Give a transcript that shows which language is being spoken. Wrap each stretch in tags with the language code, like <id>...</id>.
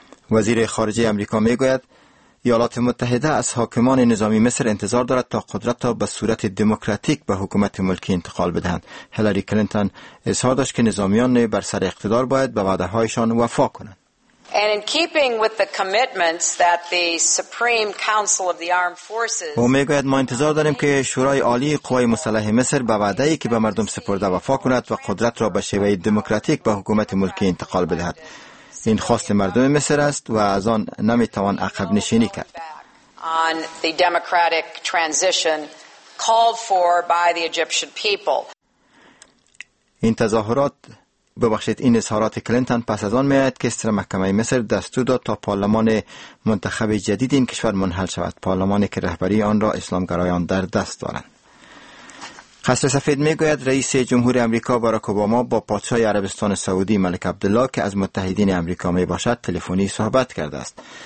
<fa>وزیر خارجه آمریکا میگوید ایالات متحده از حاکمان نظامی مصر انتظار دارد تا قدرت را به صورت دموکراتیک به حکومت ملکی انتقال بدهند. هیلری کلینتون اظهار داشت که نظامیان بر سر اقتدار باید به وعده هایشان وفا کنند.</fa> <en>And in keeping with the commitments that the Supreme Council of the Armed Forces.</en> <fa>او میگوید ما انتظار داریم که شورای عالی قوای مسلح مصر به وعده‌ای که به مردم سپرده وفا کند و قدرت را به شیوه دموکراتیک به حکومت ملکی انتقال بدهد. این خواست مردم مصر است و از آن نمیتوان عقب نشینی کرد.</fa> <en>On the democratic transition called for by the Egyptian people.</en> <fa>این تظاهرات ببخشید این اظهارات کلینتون پس از آن میاد که ستر محکمه مصر دستور داد تا پارلمان منتخب جدید این کشور منحل شود، پارلمانی که رهبری آن را اسلامگرایان در دست دارند. قصر سفید میگوید رئیس جمهور آمریکا باراک اوباما با پادشاه عربستان سعودی ملک عبدالله که از متحدین آمریکا می باشد تلفنی صحبت کرده است.</fa>